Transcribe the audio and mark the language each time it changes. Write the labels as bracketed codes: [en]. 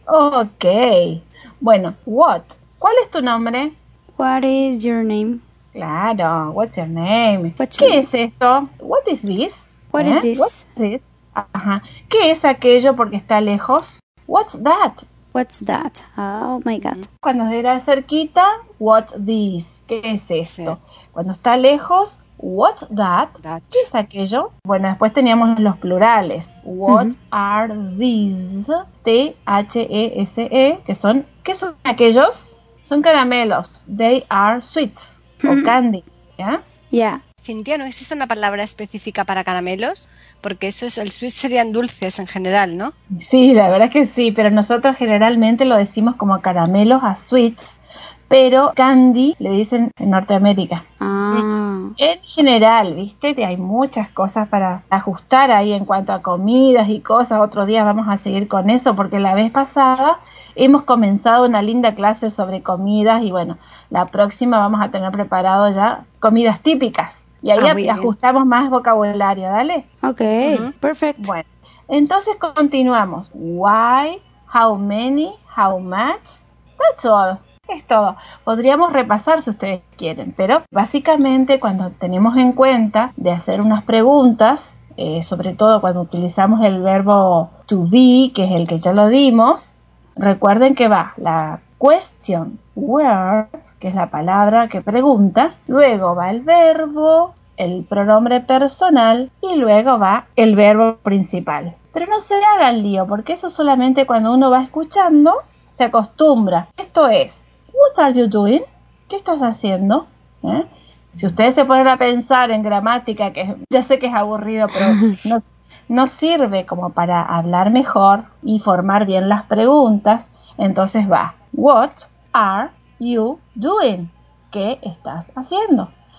[es] Ok. Bueno, what? ¿Cuál es tu nombre? [en] What is your name? Claro, what's your name? [es] ¿Qué es esto? [en] What is this? What is this? [es] Ajá. ¿Qué es aquello porque está lejos? [en] What's that? Oh my God. [es] Cuando era cerquita, [en] what's this? [es] ¿Qué es esto? Sí. Cuando está lejos, [en] what's that? [es] ¿Qué es aquello? Bueno, después teníamos los plurales. [en] What uh-huh. are these? T-H-E-S-E, [es] que son. ¿Qué son aquellos? Son caramelos. [en] They are sweets. [es] O candy. ¿Ya? Ya. Yeah. Cintia, ¿no existe una palabra específica para caramelos? Porque eso es, el sweet serían dulces en general, ¿no? Sí, la verdad es que sí, pero nosotros generalmente lo decimos como caramelos a sweets, pero candy le dicen en Norteamérica. Ah. En general, ¿viste? Hay muchas cosas para ajustar ahí en cuanto a comidas y cosas. Otro día vamos a seguir con eso, porque la vez pasada hemos comenzado una linda clase sobre comidas y bueno, la próxima vamos a tener preparado ya comidas típicas. Y ahí ajustamos más vocabulario, ¿dale? Ok, uh-huh. Perfecto. Bueno, entonces continuamos. [en] Why, how many, how much, that's all. [es] Es todo. Podríamos repasar si ustedes quieren, pero básicamente cuando tenemos en cuenta de hacer unas preguntas, sobre todo cuando utilizamos el verbo to be, que es el que ya lo dimos, recuerden que va la question, where, que es la palabra que pregunta, luego va el verbo, el pronombre personal y luego va el verbo principal. Pero no se haga el lío, porque eso solamente cuando uno va escuchando se acostumbra. [en] Esto es, what are you doing? [es] ¿Qué estás haciendo? ¿Eh? Si ustedes se ponen a pensar en gramática, que ya sé que es aburrido, pero no sirve como para hablar mejor y formar bien las preguntas, entonces va. [en] What are you doing? [es] ¿Qué estás haciendo?